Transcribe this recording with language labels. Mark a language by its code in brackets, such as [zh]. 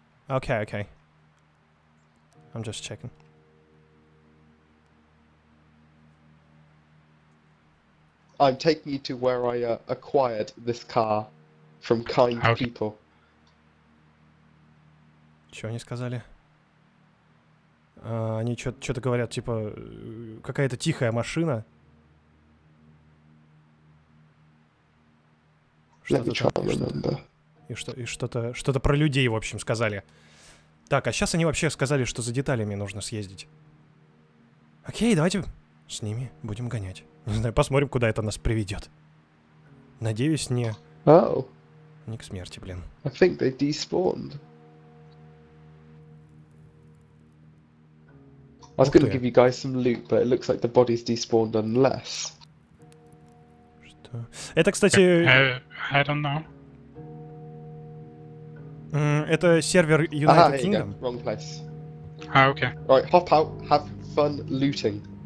[en] Okay, okay. I'm just checking. I'm taking you to where I acquired this car from kind people. [ru] Чё они сказали? Они что-то говорят, типа, какая-то тихая машина. Что-то там, что-то про людей, в общем, сказали. Так, а сейчас они вообще сказали, что за деталями нужно съездить. Окей, давайте с ними будем гонять. Не знаю, посмотрим, куда это нас приведет. Надеюсь, не... Oh. Не к смерти, блин. [en] I think they despawned. I was gonna give you guys some loot, but it looks like the body's despawned unless. [ru] Что? Это, кстати. [en] I don't know. [ru] Это сервер United Kingdom. [en] Yeah, wrong place. Ah, okay. Alright, hop out, have fun looting.